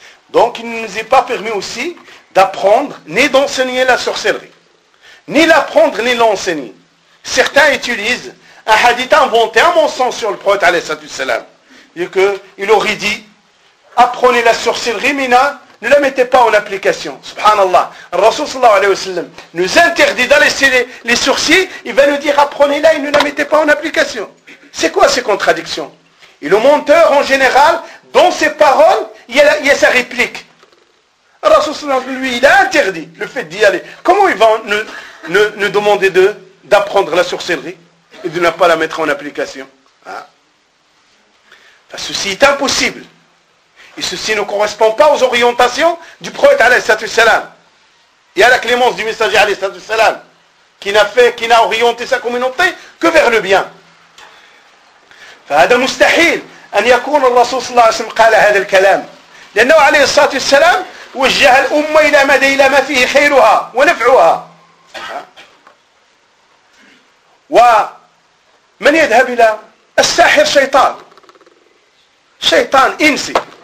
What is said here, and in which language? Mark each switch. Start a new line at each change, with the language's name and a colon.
French: دونك نزي با بيرمي aussi d'apprendre ni d'enseigner la sorcellerie ni l'apprendre ni l'enseigner certains utilisent un hadith inventé un mensonge sur le prophète alayhi salatu salam et que il aurait dit apprenez la sorcellerie, Mina, ne la mettez pas en application.
Arabic: Subhanallah.
French: Le Rasoul sallallahu alayhi wa sallam nous interdit d'aller les sorciers, il va nous dire apprenez-la et ne la mettez pas en application. C'est quoi ces contradictions? Et le menteur, en général, dans ses paroles, il y a sa réplique. Le Rasoul sallallahu alayhi wa sallam, lui, il a interdit le fait d'y aller. Comment il va nous demander d'apprendre la sorcellerie et de ne pas la mettre en application? Hein? Ceci est impossible. Et ceci ne correspond pas aux orientations du prophète alayhi salatu salam. Et à la clémence du messager alayhi salatu salam, qui n'a orienté sa communauté que vers le bien.
Arabic: فهذا مستحيل أن يكون الرسول صلى الله عليه وسلم قال هذا الكلام. لأنه عليه الصلاة والسلام وجه الأمة إلى ما فيه خيرها ونفعها. ومن يذهب إلى الساحر شيطان. شيطان إنسي.